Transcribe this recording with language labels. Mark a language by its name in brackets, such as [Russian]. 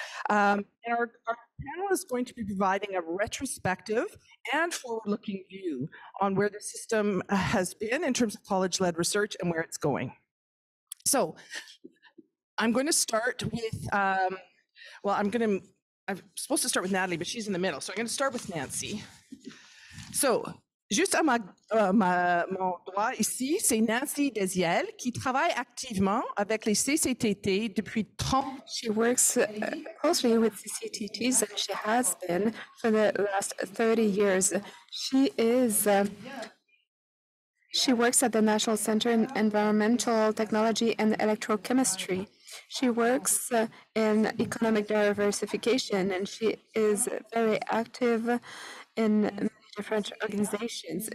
[English] And our panel is going to be providing a retrospective and forward-looking view on where the system has been in terms of college-led research and where it's going. So I'm going to start with, I'm supposed to start with Nathalie, but she's in the middle, so I'm going to start with Nancy. [French] So juste à mon droit ici, c'est Nancy Déziel qui travaille activement avec les CCTT depuis 30 ans. [English] She works closely with CCTTs and she has been for the last 30 years. She is, she works at the National Center in Environmental Technology and Electrochemistry. She works in economic diversification, and she is very active in many different organizations.